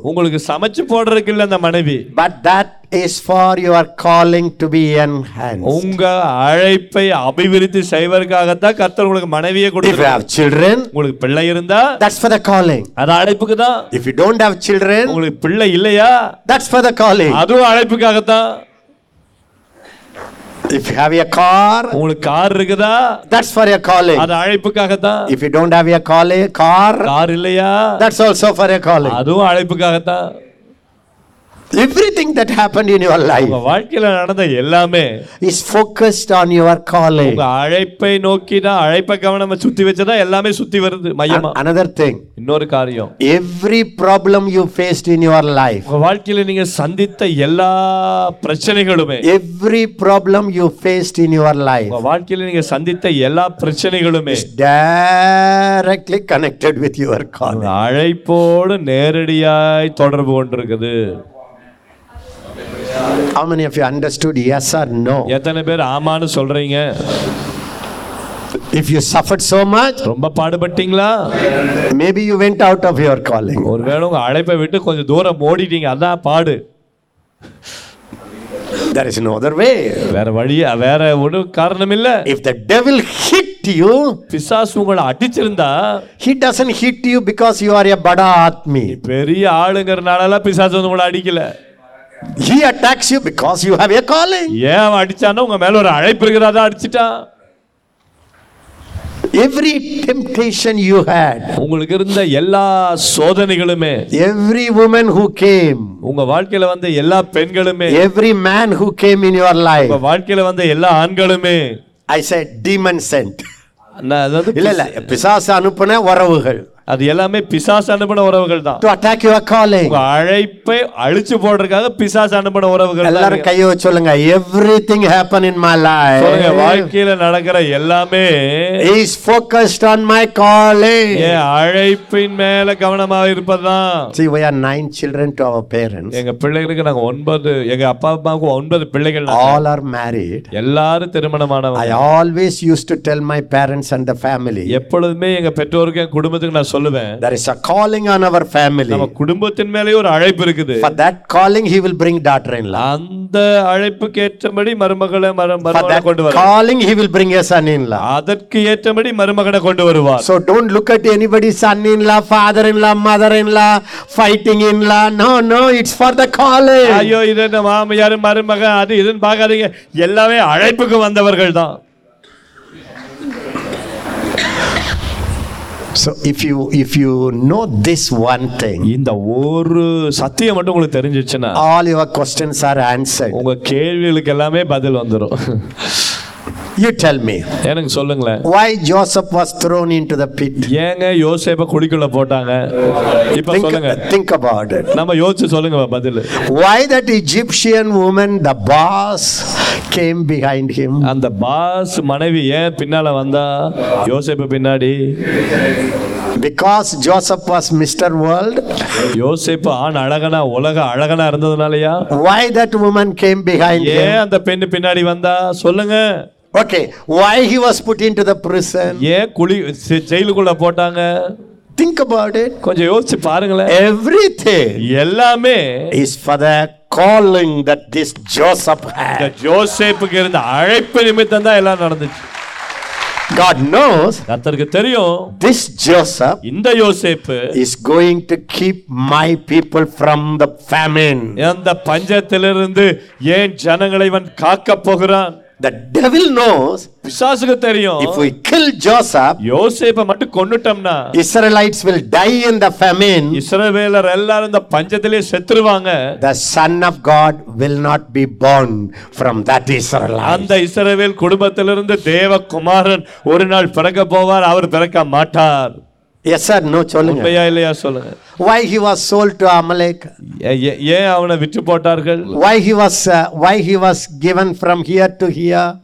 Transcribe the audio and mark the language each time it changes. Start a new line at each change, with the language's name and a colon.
Tamil: உங்களுக்கு சமைச்சு போடுறதுக்கு இல்ல அந்த மனைவி.
English: But that is for your calling to be enhanced.
Tamil: உங்க அழைப்பை அபிவிருத்தி செய்வதற்காக தான் கர்த்தர் உங்களுக்கு மனைவியே கொடுத்தார்.
English: If you have children,
Tamil: உங்களுக்கு பிள்ளை இருந்தா
English: that's for the calling.
Tamil: அது அழைப்புக்கு தான்.
English: If you don't have children,
Tamil: உங்களுக்கு பிள்ளை இல்லையா
English: that's for the calling.
Tamil: அது அழைப்புக்காக தான்.
English: If you have a car,
Tamil: உங்களுக்கு கார் இருக்குதா
English: that's for your calling.
Tamil: அது அழைப்புக்காக தான்.
English: If you don't have a car,
Tamil: car இல்லையா
English: that's also for your calling.
Tamil: அதுவும் அழைப்புக்காக தான்.
English: Everything that happened in your life
Tamil: உங்க வாழ்க்கையில நடந்த எல்லாமே
English: is focused on your calling.
Tamil: உங்க அழைப்பை நோக்கிதான் அழைப்பை கவனம் சுத்தி வச்சதா எல்லாமே சுத்தி வருது மையமா.
English: Another thing
Tamil: இன்னொரு காரியம்
English: every problem you faced in your life
Tamil: உங்க வாழ்க்கையில நீங்க சந்தித்த எல்லா பிரச்சனைகளுமே
English: every problem you faced in your life
Tamil: உங்க வாழ்க்கையில நீங்க சந்தித்த எல்லா பிரச்சனைகளுமே
English: directly connected with your calling.
Tamil: அழைப்போடு நேரடியாய் தொடர்பு கொண்டிருக்குது.
English: How many of you understood yes or no?
Tamil: எத்தனை பேர் ஆமான்னு சொல்றீங்க?
English: If you suffered so much,
Tamil: ரொம்ப பாடுபட்டீங்களா?
English: Maybe you went out of your calling.
Tamil: ஒருவேளை உங்க அழைப்பை விட்டு கொஞ்சம் தூரம் ஓடிட்டீங்க அதான் பாடு.
English: There is no other way.
Tamil: வேற வழியே வேற ஒரு காரணம் இல்ல.
English: If the devil hit you,
Tamil: பிசாசு உங்களை அடிச்சிருந்தா
English: he doesn't hit you because you are a
Hindi: bada aatmi.
Tamil: பெரிய ஆளுங்கறனால பிசாசு உங்களை அடிக்கல.
English: He attacks you because you have a calling.
Tamil: Yeah, adichana unga mela or alai pirukiradha adichita.
English: Every temptation you had.
Tamil: Ungalku irundha ella sodhanigalume.
English: Every woman who came.
Tamil: Unga vaalkaila vanda ella pengalume.
English: Every man who came in your life.
Tamil: Unga vaalkaila vanda ella aangalume.
English: I said demon sent.
Tamil: Na adhu illa illa pisasa anupana varavugal. அது எல்லாமே பிசாசு அனுப்பின உறவுகள் தான்.
English: To attack your calling.
Tamil: உங்க அழைப்பை அழிச்சு போடுறதுக்காக பிசாசு அனுப்பின உறவுகள் தான். எல்லாரும் கைய சொல்லுங்க.
English: Everything happen in my life.
Tamil: சொல்லுங்க வாழ்க்கையில நடக்கிற எல்லாமே
English: is focused on my calling.
Tamil: ஏ அழைப்பின் மேல கவனமா இருப்பதுதான்.
English: See we are 9 children to our parents.
Tamil: எங்க பிள்ளைகளுக்கு நாங்க 9 எங்க அப்பா அம்மாவுக்கு 9 பிள்ளைகள்
English: all are married.
Tamil: எல்லாரும் திருமணமானவங்க.
English: I always used to tell my parents and the family.
Tamil: எப்பொழுதே எங்க பெற்றோருக்கு என் குடும்பத்துக்கு சொல்லுவேன்
English: there is a calling on our family.
Tamil: நம்ம குடும்பத்தின் மேலே ஒரு அழைப்பு இருக்குது.
English: For that calling he will bring daughter in law.
Tamil: அந்த அழைப்புக்கு ஏற்றபடி மருமகளை மருமகளை கொண்டு வருவார்.
English: For that calling he will bring a son in law.
Tamil: அதற்கு ஏற்றபடி மருமகளை கொண்டு வருவார்.
English: So don't look at anybody son in law father in law mother in law fighting in law. No it's for the calling.
Tamil: ஐயோ இது என்ன மாமியார் மருமக அது இதன் பாக்காதீங்க எல்லாமே அழைப்புக்கு வந்தவர்கள் தான்.
English: So if you know this one thing
Tamil: inda oru satyam mattum ungalukku therinjichuna
English: all your questions are answered
Tamil: unga kelvigalukku ellame badhil vandrum.
English: You tell me.
Tamil: எனக்கு சொல்லுங்கள.
English: Why Joseph was thrown into the pit?
Tamil: ஏங்க யோசேப்ப குழிக்குள்ள போட்டாங்க? இப்ப சொல்லுங்க.
English: Think about it.
Tamil: நம்ம யோசிச்சு சொல்லுங்க பதில்.
English: Why that Egyptian woman, the boss, came behind him?
Tamil: அந்த பாஸ் மனைவி ஏன் பின்னால வந்தா யோசேப்பு பின்னாடி?
English: Because Joseph was Mr. World.
Tamil: யோசேப்பு ஆண் அழகனா உலக அழகனா இருந்ததுனாலயா?
English: Why that woman came behind him?
Tamil: ஏன் அந்த பெண் பின்னாடி வந்தா சொல்லுங்க.
English: Okay, why he was put into the prison?
Tamil: ஏன் குழி ஜெயிலுக்குள்ள போட்டாங்க?
English: Think about it.
Tamil: கொஞ்சம் யோசிச்சு பாருங்களேன்.
English: Everything.
Tamil: எல்லாமே.
English: Is for the calling that this Joseph had.
Tamil: The Joseph-க்கு இருந்த அழைப்பு நிமித்தம் தான் எல்லாம் நடந்துச்சு.
English: God knows.
Tamil: கர்த்தருக்கு தெரியும்.
English: This Joseph.
Tamil: இந்த யோசேப்பு.
English: Is going to keep my people from the famine.
Tamil: அந்த பஞ்சத்திலிருந்து என் ஜனங்களை இவன் காக்க போகிறான்.
English: The devil knows.
Tamil: பிசாசுக்கு தெரியும்.
English: If we kill Joseph.
Tamil: யோசேப்பை மட்டும் கொன்னுட்டோம்னா.
English: Israelites will die in the famine.
Tamil: இஸ்ரவேலர் எல்லாரும் இந்த பஞ்சத்திலே செத்துருவாங்க.
English: The son of God will not be born from that Israelite.
Tamil: அந்த இஸ்ரவேல் குடும்பத்திலிருந்து தேவ குமாரன் ஒரு நாள் பிறக்க போவார். அவர் பிறக்க மாட்டார்.
English: Yes sir, no,
Tamil: சொல்லுங்க. உண்மையா இல்லையா சொல்லுங்க.
English: Why he was sold to Amalek?
Tamil: ஏன் அவனை விற்று போட்டார்கள்?
English: Why he was given from here to here?